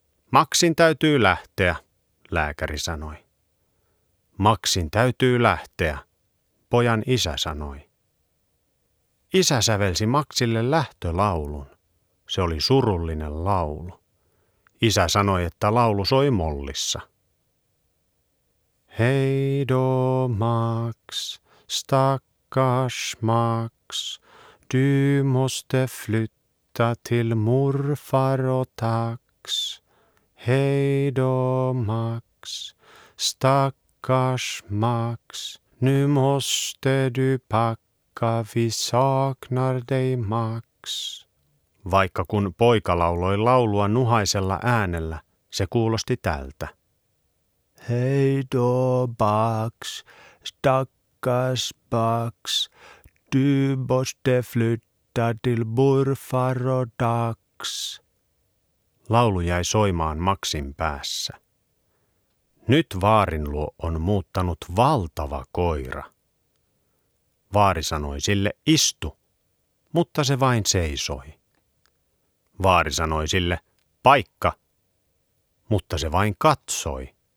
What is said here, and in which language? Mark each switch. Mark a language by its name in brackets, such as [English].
[Finnish] Maxin täytyy lähteä, lääkäri sanoi. Maxin täytyy lähteä, pojan isä sanoi. Isä sävelsi Maxille lähtölaulun. Se oli surullinen laulu. Isä sanoi, että laulu soi mollissa. [Swedish] Heido Max, stakkars Max, du måste flytta till morfar och tax. Heido Max, stakkars Max, nu måste du packa, vi saknar dig Max. [Finnish] Vaikka kun poika lauloi laulua nuhaisella äänellä, se kuulosti tältä. [Swedish] Heido Max, stakkars Max, du måste flytta till morfar och tax. [Finnish] Laulu jäi soimaan Maxin päässä. Nyt vaarin luo on muuttanut valtava koira. Vaari sanoi sille istu, mutta se vain seisoi. Vaari sanoi sille paikka, mutta se vain katsoi.